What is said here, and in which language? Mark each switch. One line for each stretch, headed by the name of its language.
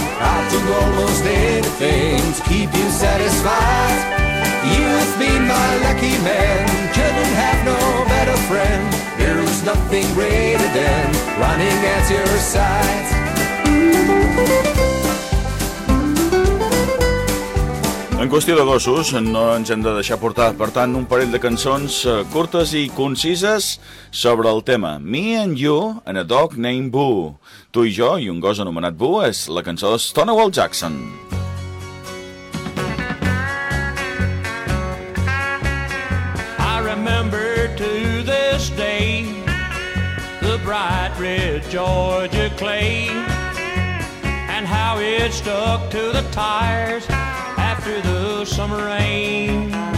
English: I'd do almost anything to keep you satisfied. You've been my lucky man. Couldn't have no better friend. There's nothing greater than running at your side.
Catalan: En qüestió de gossos, no ens hem de deixar portar, per tant, un parell de cançons curtes i concises sobre el tema.
English: Me and You and a Dog Named Boo.
Catalan: Tu i jo i un gos anomenat Boo és la cançó de Stonewall Jackson.
English: I remember to this day the bright red Georgia clay and how it stuck to the tires after the summer rain.